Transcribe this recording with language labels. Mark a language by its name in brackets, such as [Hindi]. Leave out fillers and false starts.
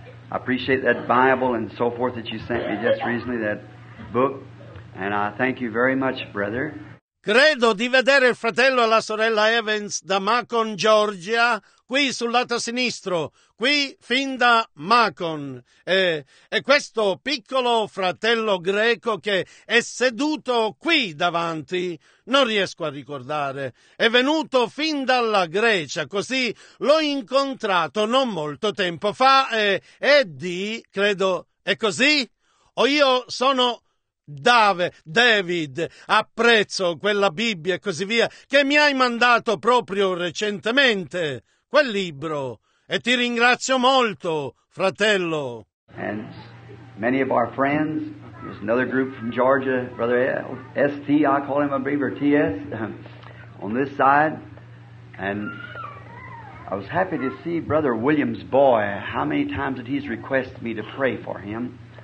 [English] I appreciate that Bible and so forth that you sent me just recently, that book. And I thank you very much, brother. [Italian] Credo di vedere il fratello e la sorella Evans da Macon, Georgia, qui sul lato sinistro, qui fin da Macon. E questo piccolo fratello greco che è seduto qui davanti, non riesco a ricordare, è venuto fin dalla Grecia, così l'ho incontrato non molto tempo fa, e Eddie, credo, è così? o io sono David, apprezzo quella Bibbia e così via, che mi hai mandato proprio recentemente, quel libro, e ti ringrazio molto, fratello. [English] And many of our friends, there's another group from Georgia, brother ST, I call him a believer, TS, on this side, and I was happy to see brother William's boy, how many times that he's requested me to pray for him.